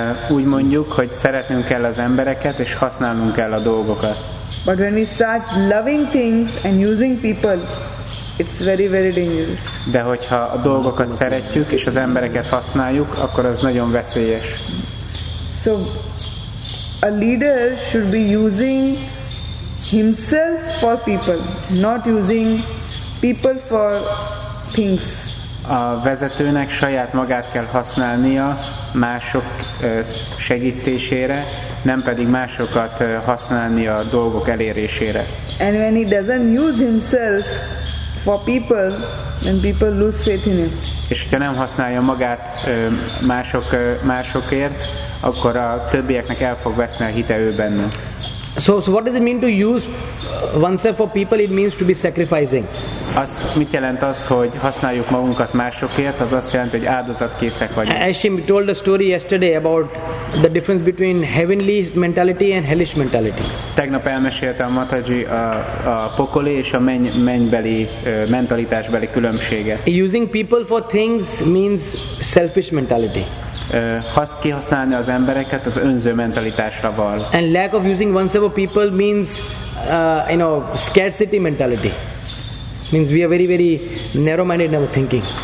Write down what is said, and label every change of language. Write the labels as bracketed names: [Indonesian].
[Hungarian] Úgy mondjuk, hogy szeretnünk kell az embereket és használnunk kell a dolgokat. [English] But when we start loving things and using people, it's very, very dangerous. [Hungarian] De hogyha a dolgokat szeretjük és az embereket használjuk, akkor az nagyon veszélyes. [English] So a leader should be using himself for people, not using people for things. [Hungarian] A vezetőnek saját magát kell használnia mások segítésére, nem pedig másokat használnia a dolgok elérésére. [English] And when he doesn't use himself for people, then people lose faith in him. [Hungarian] És hogyha nem használja magát másokért, akkor a többieknek el fog veszni a hite ő benne. [English] So what does it mean to use oneself for people? It means to be sacrificing. [Hungarian] Az mit jelent az, hogy használjuk magunkat másokért? Az azt jelenti, hogy áldozatkészek vagyunk. [English] As she told a story yesterday about the difference between heavenly mentality and hellish mentality. [Hungarian] Tegnap elmesélte a Mataji a pokoli és a mennybeli mentalitásbeli különbséget. [English] Using people for things means selfish mentality. [Hungarian] Kihasználni az embereket az önző mentalitásra val. [English] And lack of using oneself for people means scarcity mentality. Means we are very, very narrow-minded in our thinking.